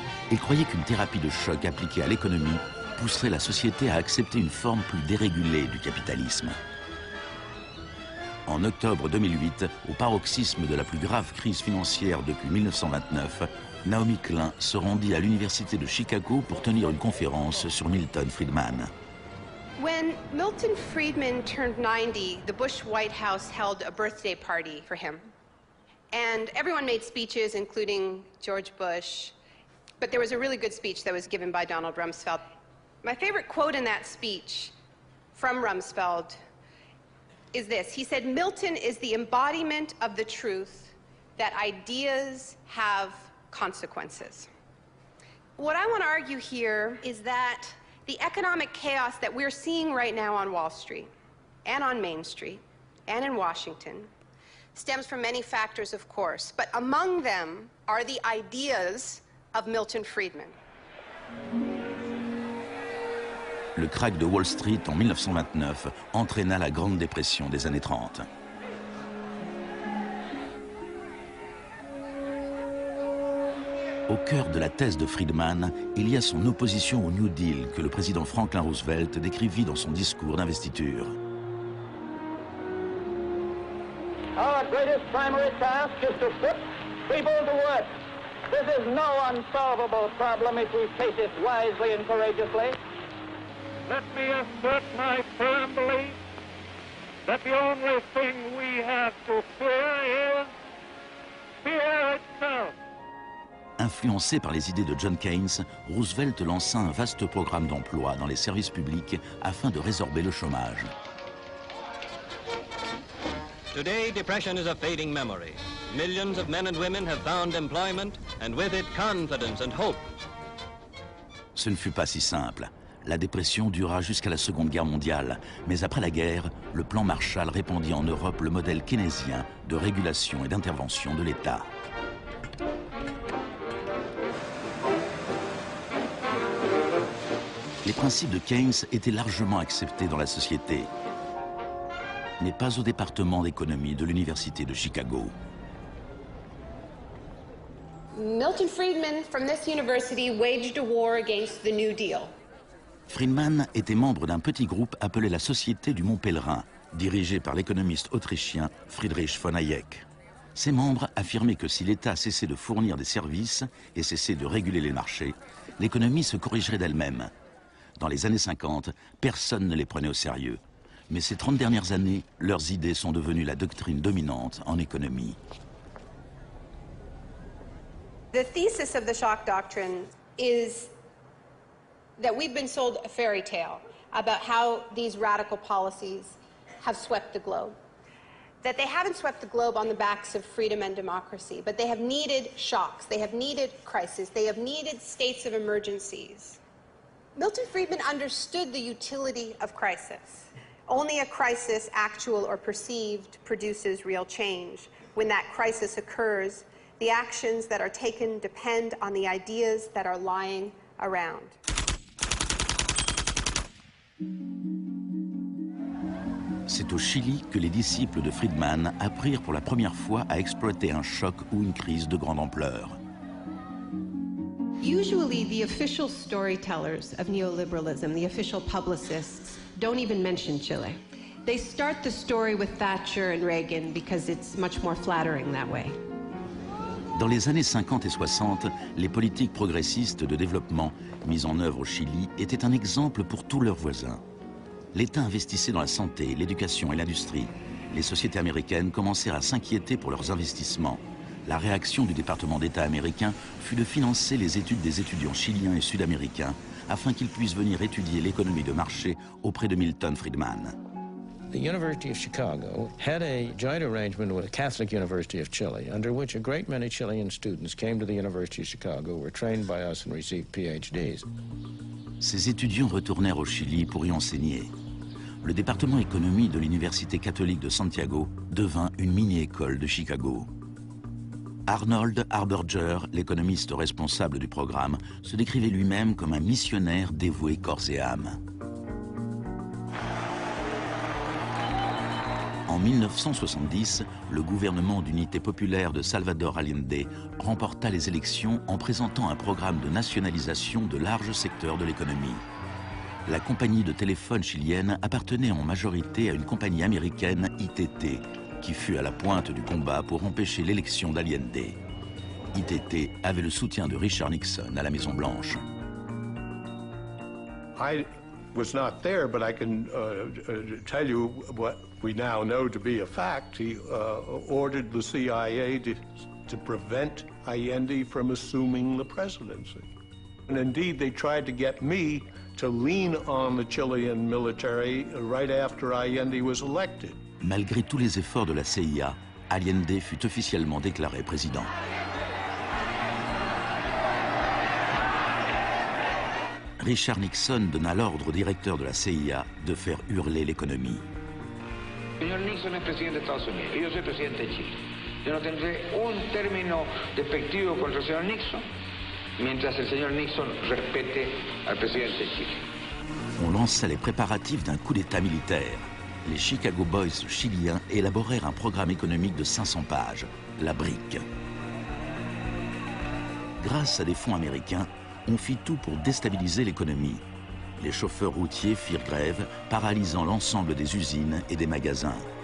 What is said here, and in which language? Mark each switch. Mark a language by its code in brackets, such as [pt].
[fr] Il croyait qu'une thérapie de choc appliquée à l'économie pousserait la société à accepter une forme plus dérégulée du capitalisme. En octobre 2008, au paroxysme de la plus grave crise financière depuis 1929, Naomi Klein se rendit à l'Université de Chicago pour tenir une conférence sur Milton Friedman. [en] When Milton Friedman turned 90, the Bush White House held a birthday party for him. And everyone made speeches, including George Bush. But there was a really good speech that was given by Donald Rumsfeld. My favorite quote in that speech from Rumsfeld is this. He said, Milton is the embodiment of the truth that ideas have consequences. What I want to argue here is that the economic chaos that we're seeing right now on Wall Street and on Main Street and in Washington stems from many factors, of course, but among them are the ideas of Milton Friedman. [fr] Le crack de Wall Street en 1929 entraîna la Grande Dépression des années 30. Au cœur de la thèse de Friedman, il y a son opposition au New Deal que le président Franklin Roosevelt décrivit dans son discours d'investiture. [en] Our greatest primary task is to put people to work. This is no unsolvable problem if we face it wisely and courageously. Let me assert my firm belief that the only thing we have to fear is fear itself. [fr] Influencé par les idées de John Keynes, Roosevelt lança un vaste programme d'emploi dans les services publics afin de résorber le chômage. [en] Today, depression is a fading memory. Millions of men and women have found employment, and with it, confidence and hope. [fr] Ce ne fut pas si simple. La dépression dura jusqu'à la Seconde Guerre mondiale. Mais après la guerre, le plan Marshall répandit en Europe le modèle keynésien de régulation et d'intervention de l'État. Les principes de Keynes étaient largement acceptés dans la société, mais pas au département d'économie de l'Université de Chicago. [en] Milton Friedman, from this university, waged a war against the New Deal. [fr] Friedman était membre d'un petit groupe appelé la Société du Mont Pèlerin, dirigé par l'économiste autrichien Friedrich von Hayek. Ses membres affirmaient que si l'État cessait de fournir des services et cessait de réguler les marchés, l'économie se corrigerait d'elle-même. Dans les années 50, personne ne les prenait au sérieux. Mais ces 30 dernières années, leurs idées sont devenues la doctrine dominante en économie. [en] The thesis of the shock doctrine is that we've been sold a fairy tale about how these radical policies have swept the globe. That they haven't swept the globe on the backs of freedom and democracy, but they have needed shocks, they have needed crises, they have needed states of emergencies. Milton Friedman understood the utility of crisis. Only a crisis, actual or perceived, produces real change. When that crisis occurs, the actions that are taken depend on the ideas that are lying around. [fr] C'est au Chili que les disciples de Friedman apprirent pour la première fois à exploiter un choc ou une crise de grande ampleur. [en] Usually, the official storytellers of neoliberalism, the official publicists, don't even mention Chile. They start the story with Thatcher and Reagan because it's much more flattering that way. [fr] Dans les années 50 et 60, les politiques progressistes de développement mises en œuvre au Chili étaient un exemple pour tous leurs voisins. L'État investissait dans la santé, l'éducation et l'industrie. Les sociétés américaines commencèrent à s'inquiéter pour leurs investissements. La réaction du département d'État américain fut de financer les études des étudiants chiliens et sud-américains afin qu'ils puissent venir étudier l'économie de marché auprès de Milton Friedman. [en] The University of Chicago had a joint arrangement with the Catholic University of Chile under which a great many Chilean students came to the University of Chicago, were trained by us and received PhDs. [fr] Ces étudiants retournèrent au Chili pour y enseigner. Le département économie de l'Université catholique de Santiago devint une mini-école de Chicago. Arnold Harberger, l'économiste responsable du programme, se décrivait lui-même comme un missionnaire dévoué corps et âme. En 1970, le gouvernement d'unité populaire de Salvador Allende remporta les élections en présentant un programme de nationalisation de larges secteurs de l'économie. La compagnie de téléphone chilienne appartenait en majorité à une compagnie américaine, ITT, qui fut à la pointe du combat pour empêcher l'élection d'Allende. ITT avait le soutien de Richard Nixon à la Maison Blanche. [en] I was not there, but I can tell you what we now know to be a fact. He ordered the CIA to prevent Allende from assuming the presidency. And indeed, they tried to get me to lean on the Chilean military right after Allende was elected. [fr] Malgré tous les efforts de la CIA, Allende fut officiellement déclaré président. Richard Nixon donna l'ordre au directeur de la CIA de faire hurler l'économie. [es] Señor Nixon es presidente de Estados Unidos, yo soy presidente de Chile. Yo no tendré un término despectivo contra el señor Nixon mientras el señor Nixon respete al presidente de Chile. [fr] On lança les préparatifs d'un coup d'état militaire. Les Chicago Boys chiliens élaborèrent un programme économique de 500 pages, la brique. Grâce à des fonds américains, on fit tout pour déstabiliser l'économie. Les chauffeurs routiers firent grève, paralysant l'ensemble des usines et des magasins.